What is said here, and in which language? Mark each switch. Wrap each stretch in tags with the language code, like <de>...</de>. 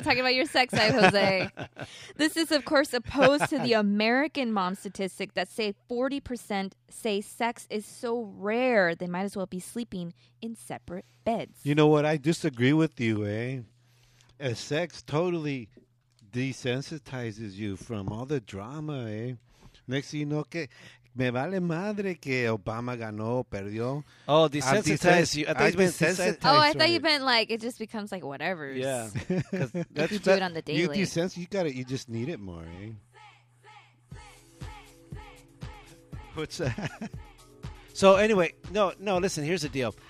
<en>Talking about your sex life, Jose. This is, of course, opposed to the American mom statistic that say 40% say sex is so rare they might as well be sleeping in separate beds. You know what? I disagree with you, eh? Sex totally desensitizes you from all the drama, eh? Next thing you know,</en> <es>que... Me vale madre que Obama ganó, perdió.</es> <en>Oh, desensitized you. I thought you meant like it just becomes like whatever. Yeah. That's, you do it on the daily. You desensitize, you just need it more, eh? What's that? So anyway, no, listen, here's the deal.</en>